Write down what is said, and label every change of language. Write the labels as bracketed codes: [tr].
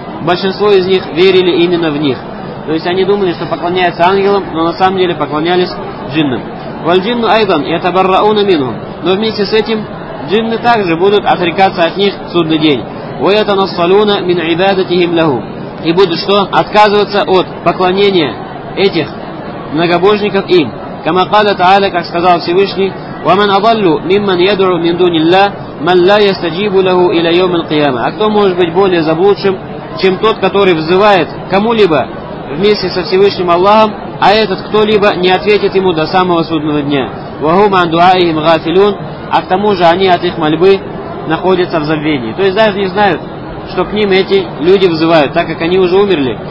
[ru] Большинство из них верили именно в них. То есть они думали, что поклоняются ангелам, но на самом деле поклонялись джиннам. [ar] Валь-джинну айдан, ятабарраауна минхум. [ru] Но вместе с этим джинны также будут отрекаться от них в судный день. [ar] وَيَتَنَصَّلُونَ مِنْ عِبَادَتِهِمْ لَهُ. [ru] И будут что? Отказываться от поклонения этих многобожников им. [ar] كَمَا قَالَ تَعَالَى, [ru] как сказал Всевышний, [ar] وَمَنْ أَضَلُّ مِمَّنْ يَدْعُ مِنْ دُونِ اللَّهِ مَنْ لَا يَسْتَجِيبُ لَهُ إِلَى يَوْمِ الْقِيَامَةِ. [ru] А кто может быть более заблудшим, чем тот, который взывает кому-либо вместе со Всевышним Аллахом, а этот кто-либо не ответит ему до самого судного дня. [ar] وَهُمْ عَنْ دُعَائِهِمْ غَافِلُونَ. [ru] А к тому же они от их мольбы находятся в забвении. То есть даже не знают, что к ним эти люди взывают, так как они уже умерли.